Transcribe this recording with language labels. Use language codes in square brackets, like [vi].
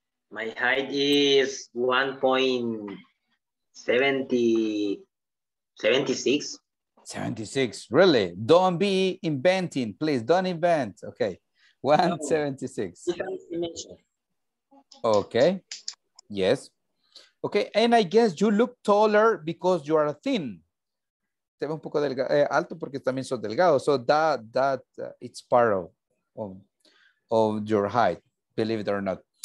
[en] My height is 1.76. 76, really? Don't be inventing, please. Don't invent. Okay. 176. Okay. Yes. Okay. And I guess you look taller because you are thin. [es] Te ve un poco delgado, alto porque también sos delgado. [en] So that it's part of your height, believe it or not.